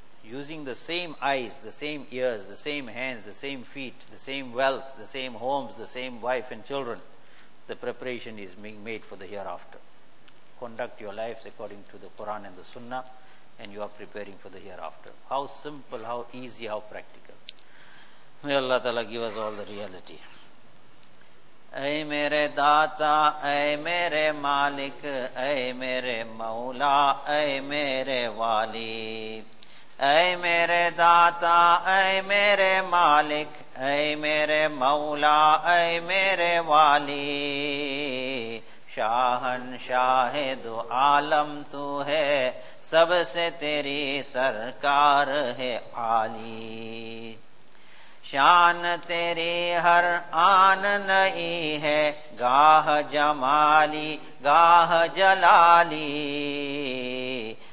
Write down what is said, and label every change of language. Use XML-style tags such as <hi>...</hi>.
<en>Using the same eyes, the same ears, the same hands, the same feet, the same wealth, the same homes, the same wife and children, the preparation is being made for the hereafter. Conduct your lives according to the Quran and the Sunnah and you are preparing for the hereafter. How simple, how easy, how practical. May Allah Ta'ala give us all the reality.</en> <ur>اے میرے داتا, اے میرے مالک, اے میرے مولا, اے میرے والی. اے میرے داتا, اے میرے مالک, اے میرے مولا, اے میرے والی. شاہنشاہ دو عالم تو ہے, سب سے تیری سرکار ہے عالی. شان تیری ہر آن نئی ہے, گاہ جمالی گاہ جلالی.</ur>